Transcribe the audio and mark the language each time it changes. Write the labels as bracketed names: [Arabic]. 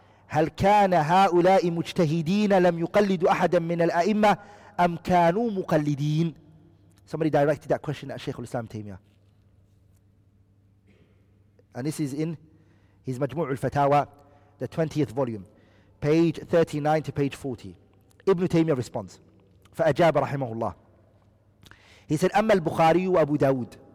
[Arabic] هل كان هؤلاء مجتهدين لم يقلدوا أحدا من الأئمة أم كانوا مقلدين؟ [English] Somebody directed that question at Shaykh al-Islam Taymiyyah. And this is in his Majmu' al-Fatawa, the 20th volume, page 39 to page 40. Ibn Taymiyyah responds. [Arabic] فأجاب رحمه الله. [English] He said, [Arabic] أما البخاري وأبو داود.